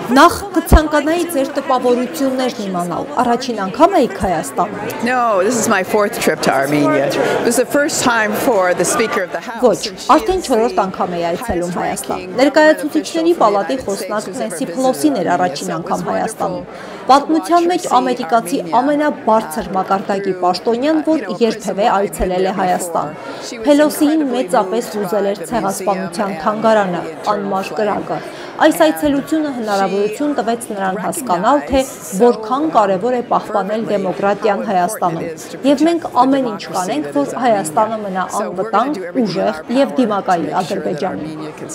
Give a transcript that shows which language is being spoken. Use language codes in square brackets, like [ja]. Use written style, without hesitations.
[hy] Նախ կցանկանայի ձեր տպավորություններն իմանալ։ Առաջին անգամ եք Հայաստան։ [en] No, this is my fourth trip to Armenia. It was the first time for the Speaker of the House. [hy] Ոչ, արդեն 4-րդ անգամ եմ այցելում Հայաստան։ Ներկայացուցիչների պալատի խոսնակ Նեսի փլոցին էր առաջին անգամ Հայաստանում։ Պատմության մեջ ամերիկացի ամենաբարձր մակարդակի պաշտոնյան, որ երբևէ այցելել է Հայաստան։ Փելոսին մեծապես հուզել էր ցեղասպանության թանգարանը, անմաշ կրակը։ Այս այցելությունը հնարավորություն տվեց նրան հասկանալ, թե որքան կարևոր է պահպանել դեմոկրատիան Հայաստանում։ Եվ մենք ամեն ինչ կանենք, որ Հայաստանը մնա անվտանգ, ուժեղ և դիմակայի